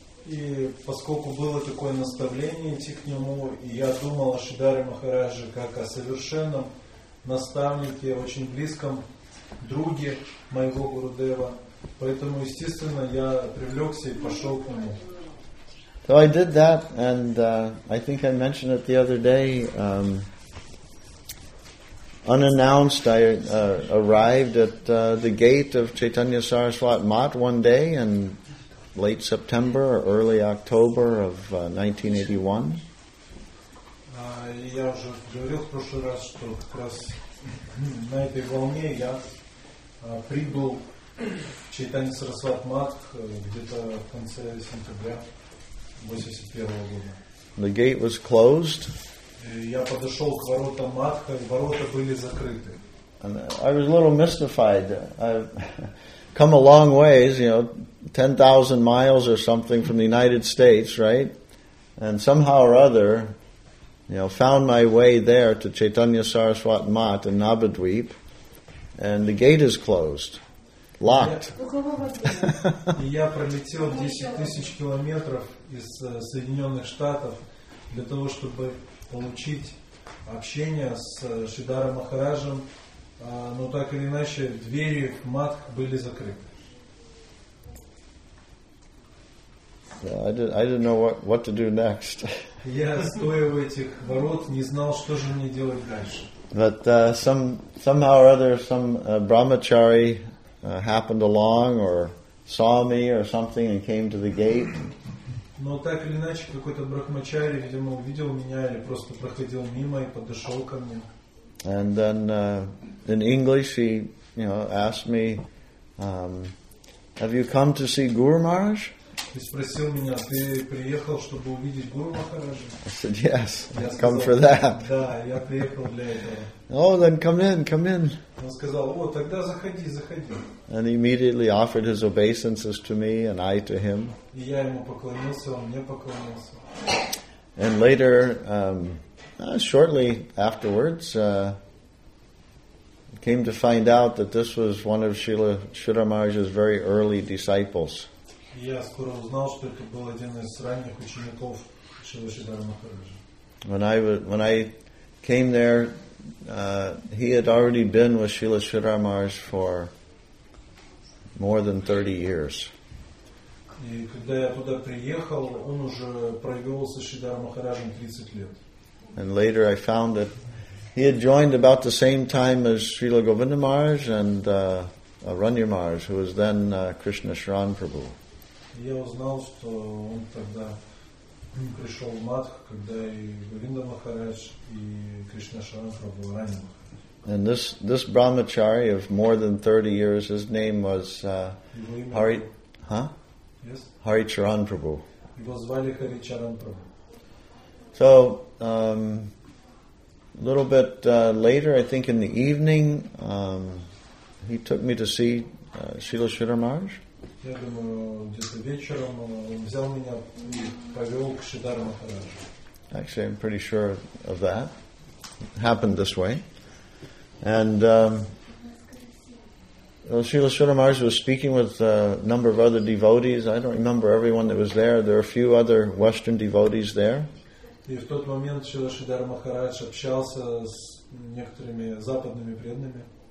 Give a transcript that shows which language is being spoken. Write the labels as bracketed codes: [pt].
[ru] И поскольку было такое наставление идти к нему, и я думал о Шридхаре Махарадже как о совершенном наставнике, очень близком друге моего Гурудева, поэтому, естественно, я привлекся и пошел к нему. [en] So I did that, and I think I mentioned it the other day. Unannounced, I arrived at the gate of Chaitanya Saraswat Mat one day in late September or early October of 1981. [ru] Я уже говорил в прошлый раз, что как раз на этой волне я прибыл в Чайтанья Сарасват Мат где-то в конце сентября 81 года. [en] The gate was closed. [ru] Я подошел к воротам Матха, и ворота были закрыты. [en] And I was a little mystified. I've come a long ways, 10,000 miles or something from the United States, right? And somehow or other, found my way there to Chaitanya Saraswat Mat in Navadvip. And the gate is closed, locked. [ru] Я пролетел 10,000 километров из Соединенных Штатов для того, чтобы получить общение с Шридхаром Махараджем, но так или иначе двери в Мат были закрыты. [en] I didn't know what to do next. [ru] Я стоя у этих ворот не знал, что же мне делать дальше. [en] But somehow or other, some brahmachari happened along or saw me or something and came to the gate. [ru] Но так или иначе какой-то брахмачари, видимо, увидел меня или просто проходил мимо и подошел ко мне. [en] And then in English he, asked me, have you come to see Guru Maharaj? [ru] И спросил меня, ты приехал, чтобы увидеть Гуру Махараджа? [en] I said, yes, I've come for that. [ru] Да, я приехал для этого. [en] Oh, then come in. [ru] Он сказал, о, тогда заходи. [en] And he immediately offered his obeisances to me and I to him. [ru] И я ему поклонился, он мне поклонился. [en] And later, shortly afterwards, came to find out that this was one of Srila Maharaj's very early disciples. [ru] Я скоро узнал, что это был один из ранних учеников Шрилы Шридхара Махараджа. [en] When I came there, he had already been with Шрила Шридхара Махарадж for more than 30 years. [ru] И когда я туда приехал, он уже провел со Шридхара Махараджем 30 лет. [en] And later I found that he had joined about the same time as Шрила Говинда Махарадж and Аранья Махарадж, who was then Krishna Sharan Prabhu. [ru] Я узнал, что он тогда пришел в Матх, когда и Говинда Махарадж, и Кришна Шаран Прабху ранее Махарадж. [en] And this brahmachari of more than 30 years, his name was Hari... Huh? Yes? Hari Charan Prabhu. [ru] Его звали Hari Charan Prabhu. [en] So, a little bit later, I think in the evening, he took me to see Srila Sridhara Maharaj. [ru] Я думаю, где-то вечером он взял меня и повел к Шридхару Махараджу. [en] Actually, I'm pretty sure of that. happened this way. And Srila Sridhar Maharaj was speaking with a number of other devotees. I don't remember everyone that was there. There are a few other Western devotees there. [ru] И в тот момент Шрила Шридхар Махарадж общался с некоторыми западными преданными.